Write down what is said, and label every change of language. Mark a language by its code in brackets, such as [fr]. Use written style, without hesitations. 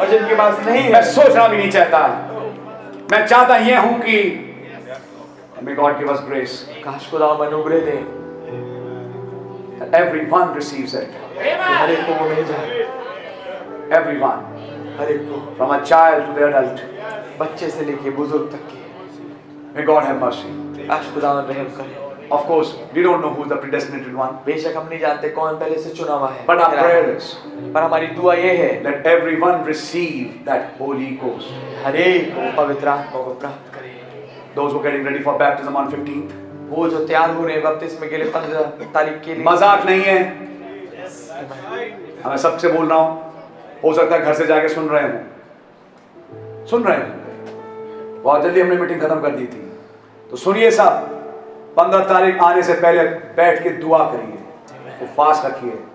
[hi] और जिनके पास नहीं है. मैं सोचना भी नहीं चाहता. मैं चाहता ये हूँ कि [en] May God give us grace. [hi] काश खुदा हमें अनुग्रह दे. [en] Everyone receives it. [hi] हर एक को मिल जाए. [en] Everyone. [hi] हर एक को. [en] From a child to the adult. [hi] बच्चे से लेके बुजुर्ग तक के. [en] May God have mercy. [hi] काश खुदा हमें रहम करे. [en] Of course, we don't know who's the predestined one. [hi] बेशक हम नहीं जानते कौन पहले से चुना हुआ है. [en] But our prayer is. [hi] पर हमारी दुआ ये है. [en] Let everyone receive that Holy Ghost. [hi] हर एक को पवित्र आत्मा को प्राप्त करे. [en] Those who are getting ready for baptism on 15th. [hi] वो जो तैयार हो रहे हैं बपतिस्मे के लिए 15 तारीख के लिए. मजाक नहीं है. मैं सबसे बोल रहा हूँ. हो सकता है घर से जाके सुन रहे हैं. बहुत जल्दी हमने मीटिंग खत्म कर दी थी. तो सुनिए साहब, 15 तारीख आने से पहले बैठ के दुआ करिए, उपवास रखिए.